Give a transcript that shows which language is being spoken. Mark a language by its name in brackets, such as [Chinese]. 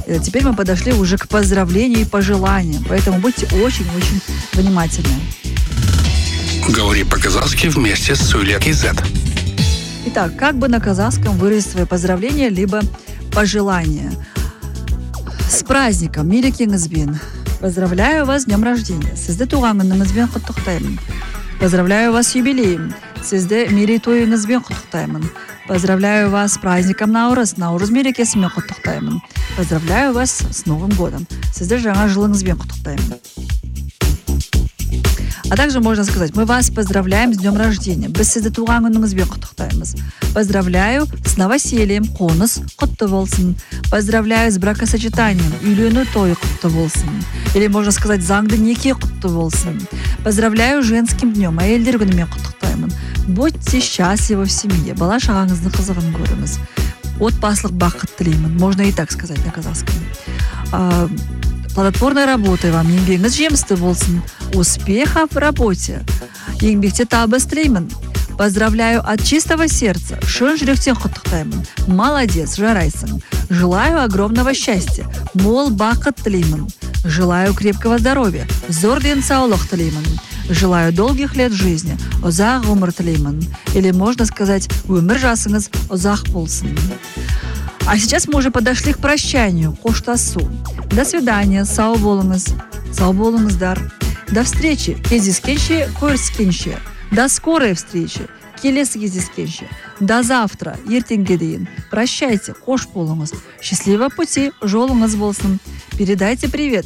[Russian] Теперь мы подошли уже к поздравлению и пожеланиям. Поэтому будьте очень-очень внимательны. Говори по-казахски вместе с Суйлет Кейзет. Итак, как бы на казахском выразить свое поздравление либо пожелание? С праздником, [Kazakh] мерекеңізбен. [Russian] Поздравляю вас с днем рождения. [Kazakh] Сізді туғаныңызбен құттықтаймын. [Russian] Поздравляю вас с юбилеем. [Kazakh] Сізді мерейтойыңызбен құттықтаймын. [Russian] Поздравляю вас с праздником Наурыз. [Kazakh] Наурыз мерекесімен құттықтаймын. [Russian] Поздравляю вас с Новым годом. [Kazakh] Сізді жаңа жылыңызбен құттықтаймын. [Russian] А также можно сказать: мы вас поздравляем с днем рождения. [Kazakh] Біз сізді туған күніңізбен құттықтаймыз. [Russian] Поздравляю с новосельем. [Kazakh] Қоныс құтты болсын. [Russian] Поздравляю с бракосочетанием. [Kazakh] Үйлену тойы құтты болсын. [Russian] Или можно сказать: [Kazakh] заңды неке құтты болсын. [Russian] Поздравляю с женским днем. [Kazakh] Әйелдер күнімен құттықтаймын. [Russian] Будьте счастливы в семье. [Kazakh] Бала шағаңыздың қызығын көріңіз. Отбасылық бақыт тілеймін. [Russian] Можно и так сказать на казахском. Плодотворной работой вам, [Kazakh] еңбегіңіз жемісті болсын. [Russian] Успехов в работе. [Kazakh] Еңбекте табыс тілеймін. [Russian] Поздравляю от чистого сердца. [Kazakh] Шын жүректен құттықтаймын. [Russian] Молодец, [Kazakh] жарайсың. [Russian] Желаю огромного счастья. [Kazakh] Мол бақыт тілеймін. [Russian] Желаю крепкого здоровья. [Kazakh] Зор денсаулық тілеймін. [Russian] Желаю долгих лет жизни. [Kazakh] Ұзақ ғұмыр тілеймін. [Russian] Или можно сказать: [Kazakh] өмір жасыңыз ұзақ болсын. [Russian] А сейчас мы уже подошли к прощанию. [Kazakh] Қоштасу. [Russian] До свидания. [Kazakh] Сау болыңыз. Сау болыңыздар. [Russian] До встречи. [Kazakh] Кездескенше. Көріскенше. [Russian] До скорой встречи. [Kazakh] Келесі кездескенше. [Russian] До завтра. [Kazakh] Ертеңге дейін. [Russian] Прощайте. [Kazakh] Қош болыңыз. [Russian] Счастливого пути. [Kazakh] Жолыңыз болсын. [Russian] Передайте привет.